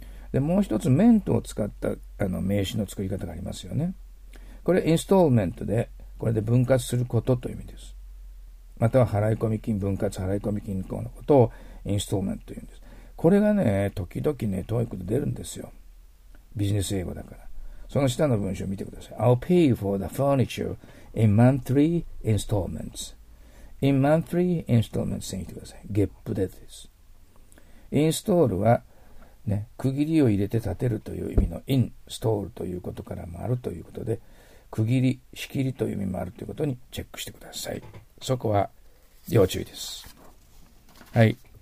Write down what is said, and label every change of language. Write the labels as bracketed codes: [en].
[ja] で、もう一つ、メントを使ったあの名詞の作り方がありますよね。これ、インストールメントで、これで分割することという意味です。または、払い込み金、分割払い込み金項のことをインストールメントというんです。これがね、時々ね、TOEIC で出るんですよ。ビジネス英語だから。その下の文章を見てください。 [en] I'll pay for the furniture in monthly installments. In monthly installments [ja] って言ってください。ゲップでです。インストールは、ね、区切りを入れて建てるという意味のインストールということからもあるということで、区切り、仕切りという意味もあるということにチェックしてください。そこは要注意です。はい。